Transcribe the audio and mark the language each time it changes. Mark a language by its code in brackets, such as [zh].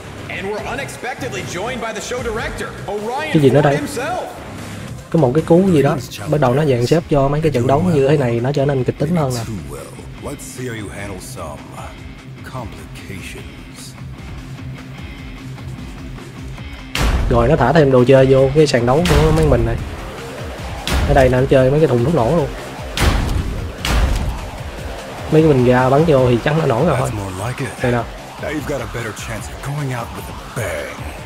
[en] And we're unexpectedly joined by the show director, Orion. [vi] Cái gì nữa đây? Có một cái cú gì đó. Bắt đầu nó dàn xếp cho mấy cái trận đấu như thế này nó trở nên kịch tính hơn nè. [en] Let's see how you handle some complications. [vi] Rồi nó thả thêm đồ chơi vô cái sàn đấu của mấy mình này. Ở đây là nó chơi mấy cái thùng thuốc nổ luôn. Mấy cái bình ga bắn vô thì chắc nó nổ rồi thôi. Like đây nè. [en] Now you've got a better chance of going out with a bang.